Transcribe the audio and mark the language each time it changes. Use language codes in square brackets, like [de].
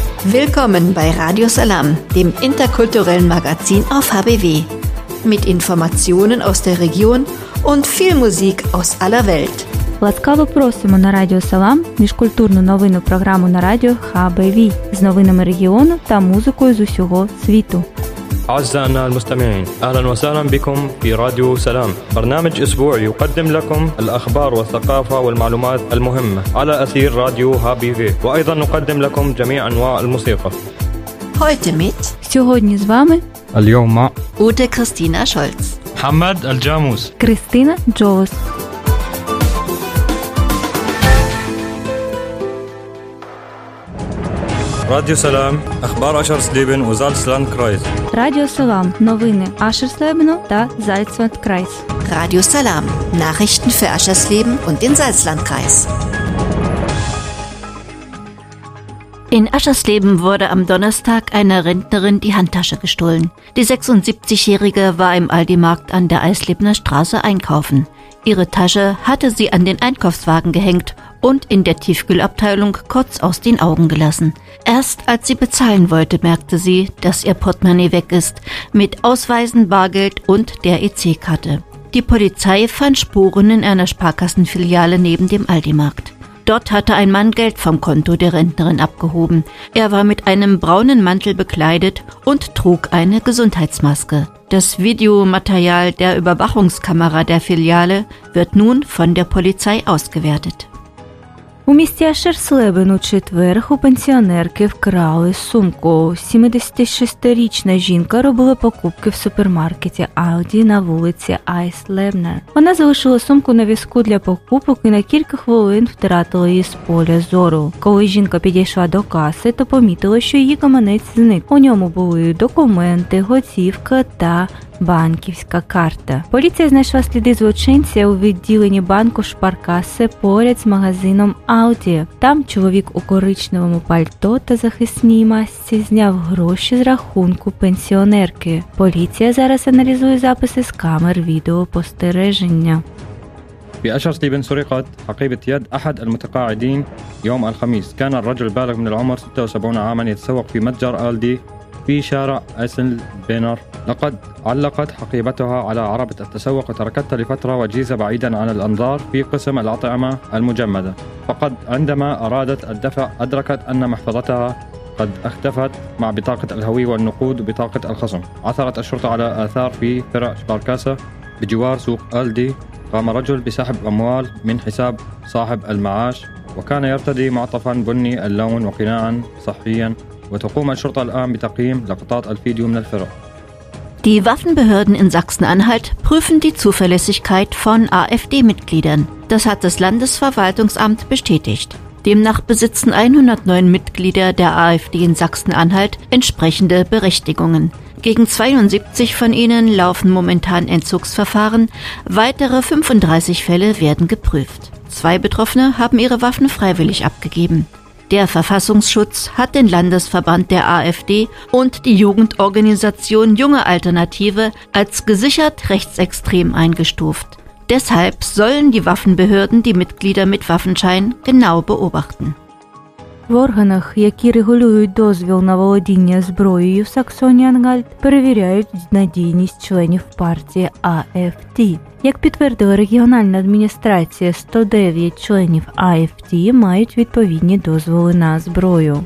[de] Willkommen bei Radio Salam, dem interkulturellen Magazin auf HBW. Mit Informationen aus der Region und viel Musik aus aller Welt. [uk] Ласкаво просимо на Радіо Салам міжкультурну новинну програму на радіо HBV з новинами регіону та музикою з усього світу. [ar] أعزائنا المستمعين أهلا وسهلا بكم في راديو سلام برنامج أسبوعي يقدم لكم الأخبار والثقافة والمعلومات المهمة على أثير راديو HBV وأيضا نقدم لكم جميع أنواع الموسيقى [de] Heute mit [uk] Сьогодні з вами [ar] اليوم مع [de] Ute Christina Scholz [ar] محمد الجاموس [de] Christina Jones [uk] Радіо Салам, Ахбар Ашерслібен у Зальцланд-Крайз. Радіо Салам, новини Ашерслібену та Зальцланд-Крайз. [de] Радіо Салам, Nachrichten für Ашерслібен und den Зальцланд-Крайз. In Ашерслібен wurde am Donnerstag einer Rentnerin die Handtasche gestohlen. Die 76-Jährige war im Aldi-Markt an der Eislebener Straße einkaufen. Ihre Tasche hatte sie an den Einkaufswagen gehängt und in der Tiefkühlabteilung kurz aus den Augen gelassen. Erst als sie bezahlen wollte, merkte sie, dass ihr Portemonnaie weg ist, mit Ausweisen, Bargeld und der EC-Karte. Die Polizei fand Spuren in einer Sparkassenfiliale neben dem Aldi-Markt. Dort hatte ein Mann Geld vom Konto der Rentnerin abgehoben. Er war mit einem braunen Mantel bekleidet und trug eine Gesundheitsmaske. Das Videomaterial der Überwachungskamera der Filiale wird nun von der Polizei ausgewertet. [uk] У місті Ашерслібен у четвер у пенсіонерки вкрали сумку. 76-річна жінка робила покупки в супермаркеті Aldi на вулиці Eislebner. Вона залишила сумку на візку для покупок і на кілька хвилин втратила її з поля зору. Коли жінка підійшла до каси, то помітила, що її гаманець зник. У ньому були документи, готівка та банківська карта. Поліція знайшла сліди злочинця у відділенні банку Шпаркасе поряд з магазином Aldi. Там чоловік у коричневому пальто та захисній масці зняв гроші з рахунку пенсіонерки. Поліція зараз аналізує записи з камер відеопостереження. [ar] في أشرسليبن سرقت حقيبة يد أحد المتقاعدين يوم الخميس. كان الرجل بالغ من العمر 76 عاما يتسوق في متجر Aldi في شارع أسل بينر. لقد علقت حقيبتها على عربة التسوق وتركتها لفترة وجيزة بعيدا عن الأنظار في قسم الأطعمة المجمدة. فقد عندما أرادت الدفع أدركت أن محفظتها قد اختفت مع بطاقة الهوية والنقود وبطاقة الخصم. عثرت الشرطة على آثار في فرع شباركاسا بجوار سوق Aldi. قام رجل بسحب أموال من حساب صاحب المعاش وكان يرتدي معطفا بني اللون وقناعا صحيا. وتقوم الشرطة الآن بتقييم لقطات الفيديو من الفرع. [de] Die Waffenbehörden in Sachsen-Anhalt prüfen die Zuverlässigkeit von AfD-Mitgliedern. Das hat das Landesverwaltungsamt bestätigt. Demnach besitzen 109 Mitglieder der AfD in Sachsen-Anhalt entsprechende Berechtigungen. Gegen 72 von ihnen laufen momentan Entzugsverfahren. Weitere 35 Fälle werden geprüft. Zwei Betroffene haben ihre Waffen freiwillig abgegeben. Der Verfassungsschutz hat den Landesverband der AfD und die Jugendorganisation Junge Alternative als gesichert rechtsextrem eingestuft. Deshalb sollen die Waffenbehörden die Mitglieder mit Waffenschein genau beobachten. [uk] В органах, які регулюють дозвіл на володіння зброєю в Саксонії-Анхальт, перевіряють надійність членів партії AfD. Як підтвердила регіональна адміністрація, 109 членів AfD мають відповідні дозволи на зброю.